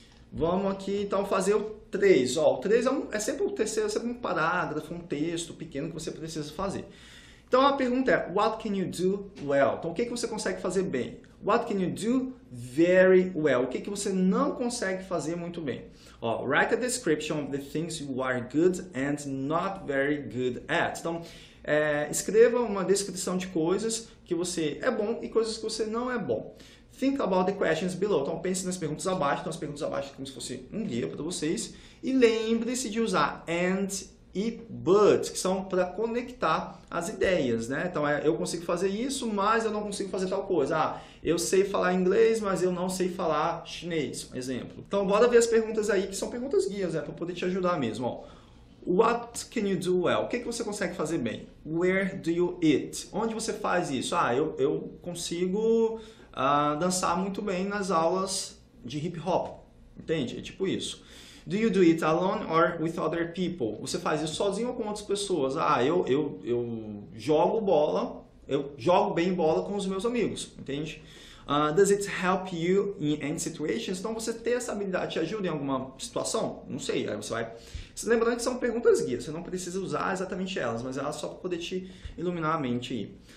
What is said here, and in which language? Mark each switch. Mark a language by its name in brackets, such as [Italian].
[Portuguese] Vamos aqui, então, fazer o 3. Ó, o 3 é sempre o terceiro, é sempre um parágrafo, um texto pequeno que você precisa fazer. Então, a pergunta é, [English] what can you do well? [Portuguese] Então, o que você consegue fazer bem? [English] What can you do very well? [Portuguese] O que você não consegue fazer muito bem? [English] Ó, write a description of the things you are good and not very good at. [Portuguese] Então, escreva uma descrição de coisas que você é bom e coisas que você não é bom. [English] Think about the questions below. [Portuguese] Então, pense nas perguntas abaixo. Então, as perguntas abaixo como se fosse um guia para vocês. E lembre-se de usar and e but, que são para conectar as ideias, né? Então, eu consigo fazer isso, mas eu não consigo fazer tal coisa. Ah, eu sei falar inglês, mas eu não sei falar chinês, um exemplo. Então, bora ver as perguntas aí, que são perguntas guias, né? Para poder te ajudar mesmo. Ó, [English] what can you do well? [Portuguese] O que você consegue fazer bem? [English] Where do you eat? [Portuguese] Onde você faz isso? Ah, eu consigo dançar muito bem nas aulas de hip hop. Entende? É tipo isso. [English] Do you do it alone or with other people? [Portuguese] Você faz isso sozinho ou com outras pessoas? Ah, eu jogo bola, eu jogo bem bola com os meus amigos, entende? [English] Does it help you in any situations? [Portuguese] Então, você ter essa habilidade te ajuda em alguma situação? Não sei, aí você vai... Lembrando que são perguntas guias, você não precisa usar exatamente elas, mas elas só para poder te iluminar a mente aí.